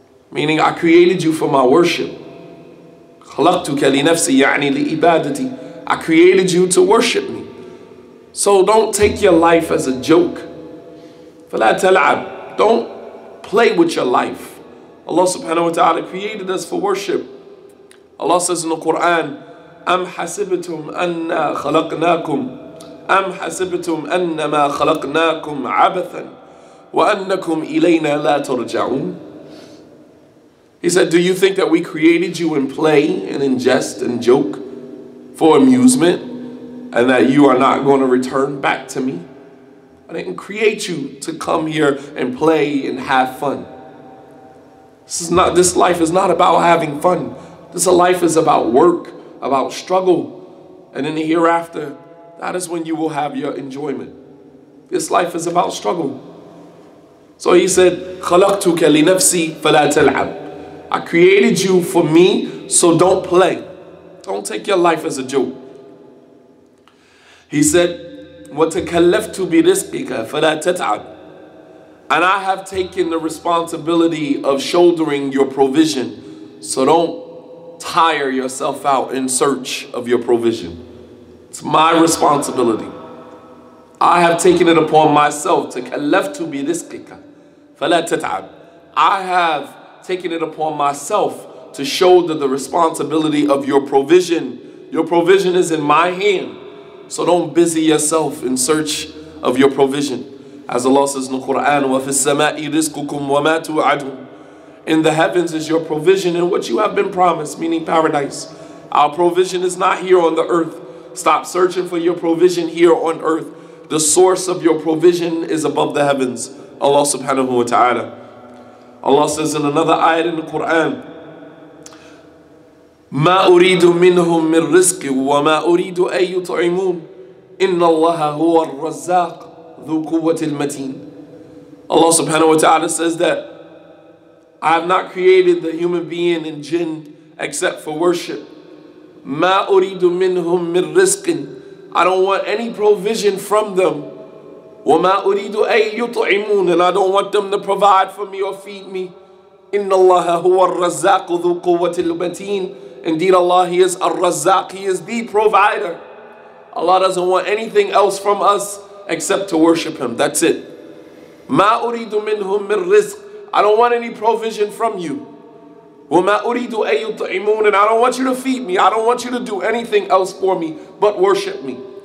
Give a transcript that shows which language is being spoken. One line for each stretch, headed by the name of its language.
English: Meaning, I created you for my worship.
Arabic: Khalaqtuka li nafsi ya'ni li ibadati.
English: I created you to worship me. So don't take your life as a joke.
Arabic: Fala tal'ab.
English: Don't play with your life. Allah subhanahu wa ta'ala created us for worship. Allah says in the Quran,
Arabic: أَمْ حَسِبْتُمْ أَنَّا خَلَقْنَاكُمْ أَمْ حَسِبْتُمْ أَنَّمَا خَلَقْنَاكُمْ عَبَثًا وَأَنَّكُمْ إِلَيْنَا لَا تُرْجَعُونَ.
English: He said, do you think that we created you in play and in jest and joke for amusement and that you are not going to return back to me? I didn't create you to come here and play and have fun. This life is not about having fun. This life is about work, about struggle. And in the hereafter, that is when you will have your enjoyment. This life is about struggle. So he said,
Arabic: خَلَقْتُكَ لِنَفْسِي فَلَا تَلْعَبْ.
English: I created you for me, so don't play. Don't take your life as a joke. He said,
Arabic: وَتَكَلَّفْتُ بِرِزْقِكَ فَلَا تَتْعَبْ.
English: And I have taken the responsibility of shouldering your provision, so don't tire yourself out in search of your provision. It's my responsibility. I have taken it upon myself to
Arabic: كَلَّفْتُ بِرِزْقِكَ فَلَا تَتْعَبْ.
English: I have taking it upon myself to shoulder the responsibility of your provision. Your provision is in my hand. So don't busy yourself in search of your provision. As Allah says in the Quran,
Arabic: وَفِي السَّمَاءِ رِزْقُكُمْ وَمَا تُوعَدُونَ.
English: In the heavens is your provision and what you have been promised, meaning paradise. Our provision is not here on the earth. Stop searching for your provision here on earth. The source of your provision is above the heavens, Allah subhanahu wa ta'ala. Allah says in another ayat in the Quran,
Arabic: ما أريد منهم من رزق وما أريد أن يطعمون إن الله هو الرزاق ذو قوة المتين.
English: Allah subhanahu wa ta'ala says that I have not created the human being and jinn except for worship.
Arabic: ما أريد منهم من رزق,
English: I don't want any provision from them.
Arabic: وما أريد أن يطعمون,
English: and I don't want them to provide for me or feed me.
Arabic: إن الله هو الرزاق ذو قوة المتين.
English: Indeed, Allah, He is Ar-Razzaq, He is the provider. Allah doesn't want anything else from us except to worship Him. That's it.
Arabic: مَا أُرِيدُ مِنْهُمْ مِنْ رِزْقٍ,
English: I don't want any provision from you. وَمَا أُرِيدُ أَن يُطْعِمُونَ, and I don't want you to feed me. I don't want you to do anything else for me but worship me.